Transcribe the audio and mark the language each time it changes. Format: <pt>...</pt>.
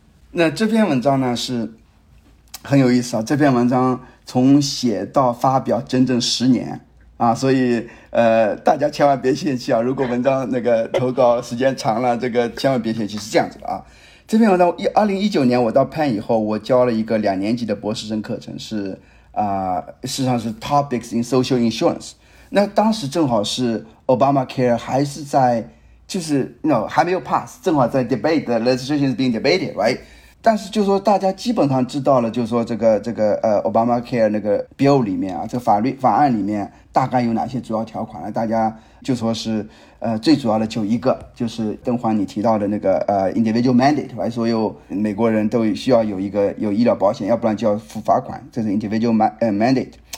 <zh>那这篇文章呢是很有意思啊，这篇文章从写到发表整整十年啊，所以大家千万别泄气啊，如果文章那个投稿时间长了，这个千万别泄气，是这样子的啊。这篇文章2019年我到 Penn 以后，我教了一个两年级的博士生课程，是事实上是 Topics in Social Insurance。那当时正好是 Obamacare 还是在就是 no 还没有 pass， 正好在 debate，</zh> <en>the legislation is being debated， right？</en> <zh>但是就是说大家基本上知道了，就是说这个Obamacare 那个 bill 里面啊，这个法案里面大概有哪些主要条款呢，大家就说是最主要的就一个，就是邓欢你提到的那个individual mandate， 来所有美国人都需要有一个有医疗保险，要不然就要付罚款，这是 individual mandate。</zh>